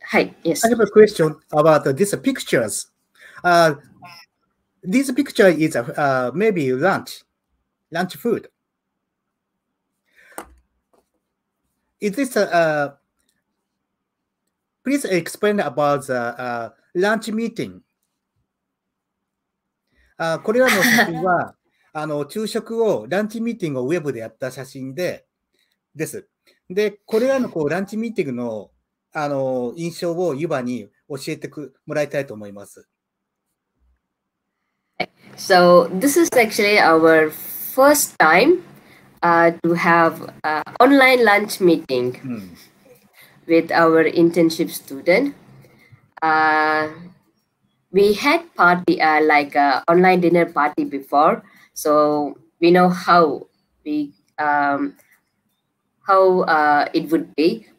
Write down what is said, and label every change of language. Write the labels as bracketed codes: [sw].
[en] Hi, yes. I have a question about these pictures. This picture is maybe lunch food. Is this please explain about the lunch meeting. [ja] これらの写真は昼食をランチミーティングをウェブでやった写真でです。で、これらのこうランチミーティングの印象をユバに教えてもらいたいと思います。 [en] So this is actually our first time to have an online lunch meeting with our internship student. We had party, like an online dinner party before, so we know how it would be.